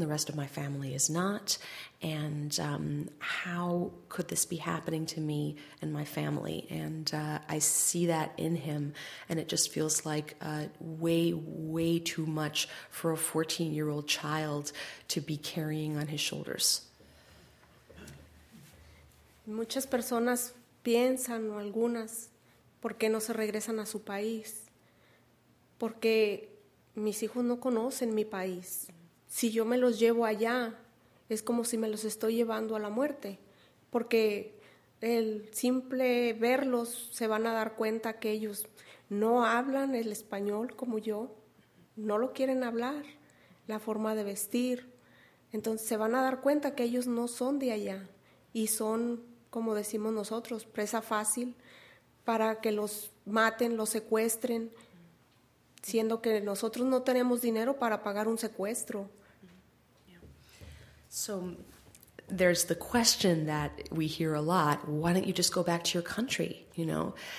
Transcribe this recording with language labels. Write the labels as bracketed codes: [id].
[en] The rest of my family is not. And how could this be happening to me and my family? And I see that in him, and it just feels like way, way too much for a 14-year-old child to be carrying on his shoulders. [es] Muchas personas piensan, o algunas, ¿por qué no se regresan a su país? Porque mis hijos no conocen mi país. Si yo me los llevo allá, es como si me los estoy llevando a la muerte. Porque el simple verlos, se van a dar cuenta que ellos no hablan el español como yo. No lo quieren hablar, la forma de vestir. Entonces se van a dar cuenta que ellos no son de allá. Y son, como decimos nosotros, presa fácil para que los maten, los secuestren, siendo que nosotros no tenemos dinero para pagar un secuestro. [en] So there's the question that we hear a lot, why don't you just go back to your country, you know?